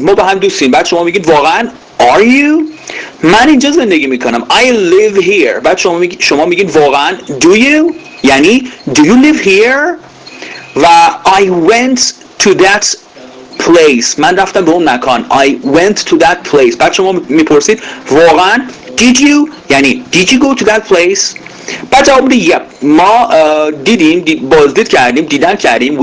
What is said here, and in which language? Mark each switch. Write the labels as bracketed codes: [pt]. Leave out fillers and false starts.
[fa] ما با هم دوستیم. بعد شما میگید واقعا [en] are you؟ [fa] من اینجا زندگی میکنم. [en] I live here. [fa] بعد شما میگید واقعا [en] do you؟ یعنی do you live here؟ و I went to that place. [fa] من رفتم به اون مکان. [en] I went to that place. [fa] بعد شما میپرسید واقعا [en] did you؟ یعنی did you go to that place؟ [fa] بعد جواب میده [en] yep. [fa] ما دیدیم، بازدید کردیم، دیدن کردیم.